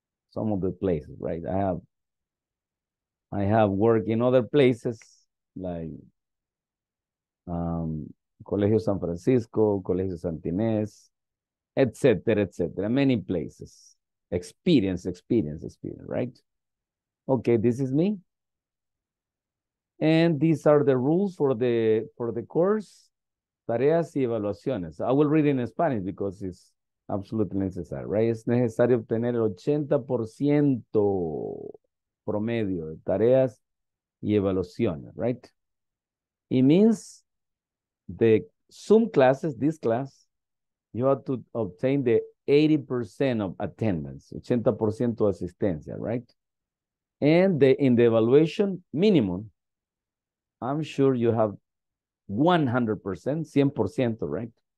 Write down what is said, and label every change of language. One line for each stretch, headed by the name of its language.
English: Some of the places, right? I have worked in other places like Colegio San Francisco, Colegio Santinés, et cetera, many places. Experience, right? Okay, this is me. And these are the rules for the course.
Spanish: Tareas y evaluaciones.
English: I will read in Spanish because it's absolutely necessary, right?
Spanish: Es necesario obtener el 80% promedio de tareas y evaluaciones, right?
English: It means the some classes, this class, you have to obtain the 80% of attendance,
Spanish: 80% de asistencia,
English: right? And the, in the evaluation minimum, I'm sure you have 100%, 100%, right?